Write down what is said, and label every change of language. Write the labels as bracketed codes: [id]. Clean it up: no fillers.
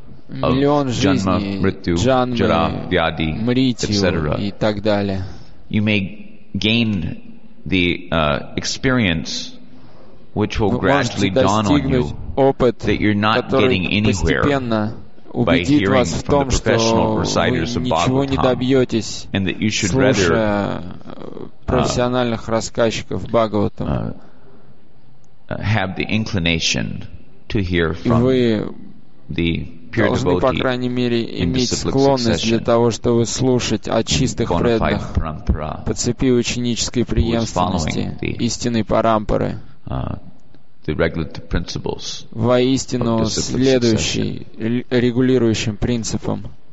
[ru] джанмы, мритью и так далее. [en] You may gain the experience which will gradually dawn on you that you're not getting anywhere by hearing from the professional reciters of Bhagavatam and that you should rather have the inclination to hear from the pure devotee [ru] должны, по крайней мере, иметь склонность для того, чтобы слушать о чистых преданных по цепи ученической преемственности истинной парампары, воистину следующий регулирующим принципам